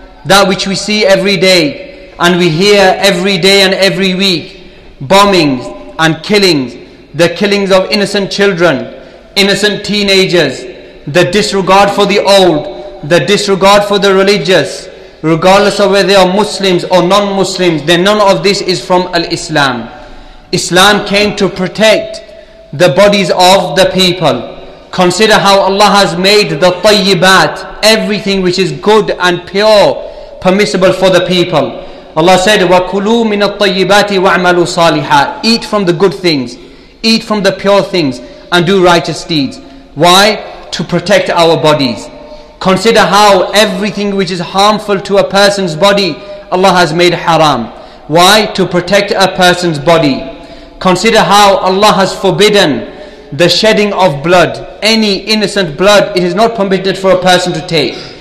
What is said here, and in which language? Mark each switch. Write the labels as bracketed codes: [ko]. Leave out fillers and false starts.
[en] That which we see every day and we hear every day and every week, bombings and killings, the killings of innocent children, innocent teenagers, the disregard for the old, the disregard for the religious, regardless of whether they are Muslims or non-Muslims, then none of this is from Al-Islam. Islam came to protect the bodies of the people. Consider how Allah has made the tayyibat, everything which is good and pure, permissible for the people. Allah said, [ar] وَكُلُوا مِنَ الطَّيِّبَاتِ وَعْمَلُوا صَالِحًا. [en] Eat from the good things, eat from the pure things, and do righteous deeds. Why? To protect our bodies. Consider how everything which is harmful to a person's body, Allah has made haram. Why? To protect a person's body. Consider how Allah has forbidden the shedding of blood, any innocent blood, it is not permitted for a person to take.